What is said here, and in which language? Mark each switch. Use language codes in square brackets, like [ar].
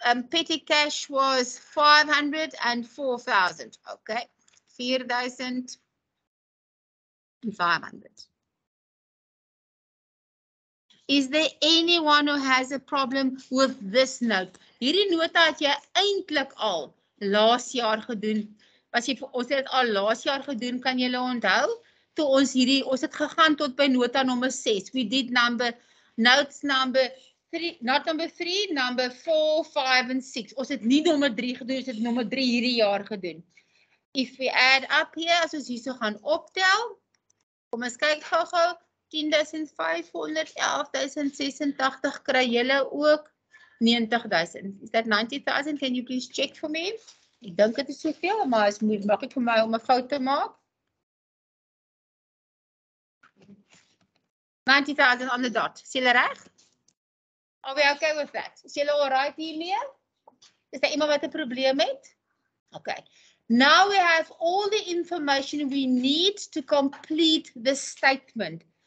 [en] Petty cash was 500 and 4,000. Okay, 4,000 and 500. Is there anyone who has a problem with this note? [af] Hierdie nota het jy eintlik al laas jaar gedoen. Was jy, ons het al laas jaar gedoen, kan julle onthou? Toe ons hierdie, ons het gegaan tot by nota nommer 6. [en] We did number, notes number 3, not number 3, number 4, 5 and 6. [af] Ons het nie nommer 3 gedoen, ons het nommer 3 hierdie jaar gedoen. [en] If we add up here, [af] as ons hierso gaan optel, kom ons kyk gou-gou. 10,500, 11,086, kry julle ook 90,000. [en] Is that 90,000? Can you please check for me? [af] Ek dink dit is soveel, maar is moeilik maklik vir my om 'n fout te maak. [en] 90,000 on the dot. [af] Is julle reg? [en] Are we okay with that? [af] Is julle all right hiermee? Is daar iemand wat 'n probleem het? [en] Okay. Now we have all the information we need to complete the statement.